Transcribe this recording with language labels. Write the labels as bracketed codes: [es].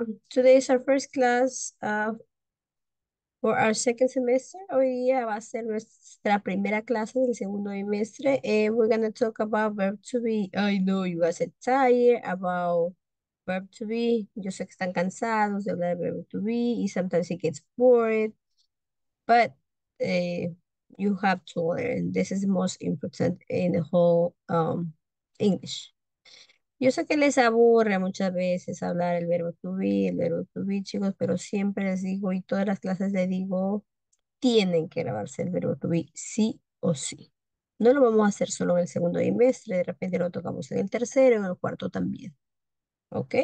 [en] Today is our first class for our second semester. [es] Hoy día va a ser nuestra primera clase del segundo semestre. [en] We're going to talk about verb to be. I know you guys are tired about verb to be. [es] Yo sé que están cansados de hablar de verb to be y [en] sometimes it gets bored. But you have to learn. This is the most important in the whole English. [es] Yo sé que les aburre muchas veces hablar el verbo to be, el verbo to be, chicos, pero siempre les digo y todas las clases les digo, tienen que grabarse el verbo to be, sí o sí. No lo vamos a hacer solo en el segundo trimestre, de repente lo tocamos en el tercero, en el cuarto también. ¿Ok?